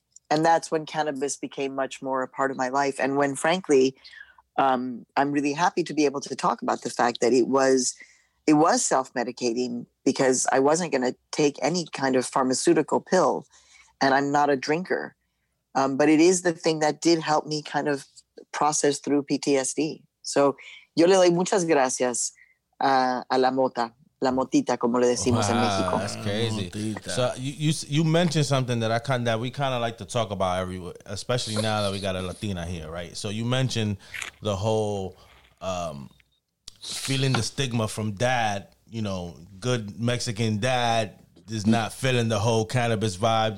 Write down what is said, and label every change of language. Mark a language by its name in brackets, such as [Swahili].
[English] And that's when cannabis became much more a part of my life. And when, frankly, I'm really happy to be able to talk about the fact that it was self-medicating, because I wasn't going to take any kind of pharmaceutical pill, and I'm not a drinker. But it is the thing that did help me kind of process through PTSD. [Spanish] So yo le doy muchas gracias a la mota, la motita, como le decimos en México. [English] That's crazy. So you mentioned something that we kind of like to talk about everywhere, especially now that we got a Latina here, right? So you mentioned the whole feeling the stigma from dad, you know, good Mexican dad is not feeling the whole cannabis vibe.